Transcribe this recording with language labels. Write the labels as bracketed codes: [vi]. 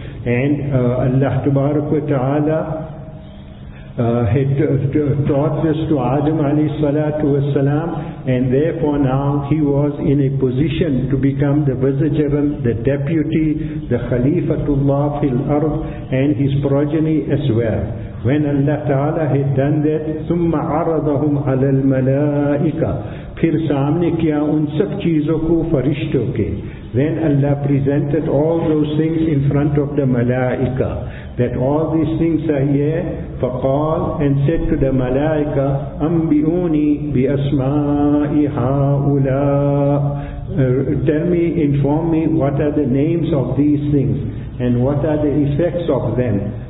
[en] And Allah tabarak wa ta'ala had taught this to Adam alayhi salatu wasalam, and therefore now he was in a position to become the vicegerent, the deputy, the Khalifatullah fil ard, and his progeny as well. When Allah Ta'ala had done that, [ar] ثُمَّ عَرَضَهُمْ عَلَى الْمَلَائِكَةِ [ur] پھر سامنے کیا ان سب چیزوں کو فرشتوں کے. [en] Then Allah presented all those things in front of the malaika, that all these things are here. فقال, and said to the malaika, [ar] أَنْبِئُونِي بِأَسْمَاءِ هَاُولَىٰ, [en] tell me, inform me, what are the names of these things and what are the effects of them.